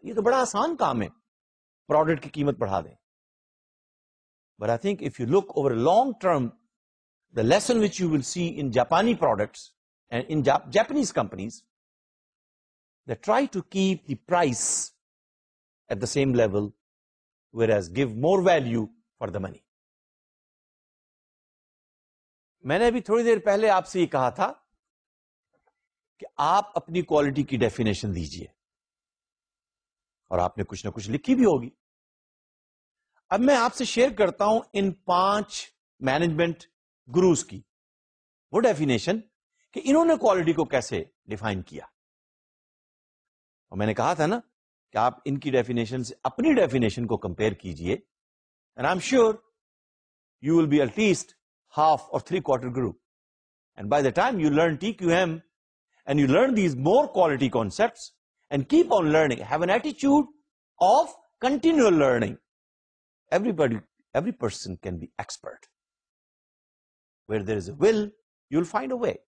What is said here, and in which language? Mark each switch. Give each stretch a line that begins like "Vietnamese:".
Hindi: Ye to bada aasan kaam hai. Product ki keemat badha de.
English: But I think if you look over a long term, the lesson which you will see in Japanese products and in Japanese companies, they try to keep the price at the same level, whereas give more value for the money.
Hindi: मैंने अभी थोड़ी देर पहले आपसे ये कहा था कि आप अपनी क्वालिटी की डेफिनेशन दीजिए और आपने कुछ ना कुछ लिखी भी होगी. अब मैं आपसे शेयर करता हूं इन 5 मैनेजमेंट गुरुज की वो डेफिनेशन कि इन्होंने क्वालिटी को कैसे डिफाइन किया. और मैंने कहा था ना कि आप इनकी डेफिनेशन से अपनी डेफिनेशन को कंपेयर कीजिए
English: And I am sure you will be at least half or three-quarter guru. And by the time you learn TQM and you learn these more quality concepts and keep on learning, have an attitude of continual learning. Every person can be expert. Where there is a will, you'll find a way.